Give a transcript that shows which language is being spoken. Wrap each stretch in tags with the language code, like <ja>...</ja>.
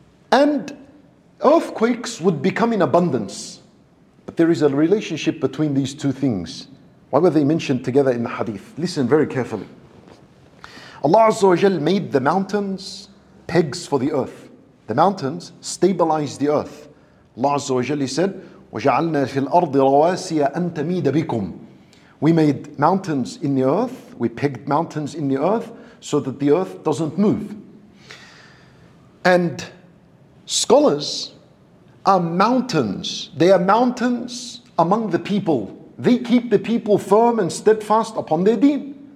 <en>And earthquakes would become in abundance. But there is a relationship between these two things. Why were they mentioned together in the hadith? Listen very carefully. Allah Azza wa Jal made the mountains pegs for the earth. The mountains stabilize the earth.</en> <ar>Allah Azza wa Jal said, وَجَعَلْنَا فِي الْأَرْضِ رَوَاسِيَ أَن تَمِيدَ بِكُمْ.</ar> <en>We made mountains in the earth. We pegged mountains in the earth so that the earth doesn't move. And scholars are mountains. They are mountains among the people. They keep the people firm and steadfast upon their deen.</en>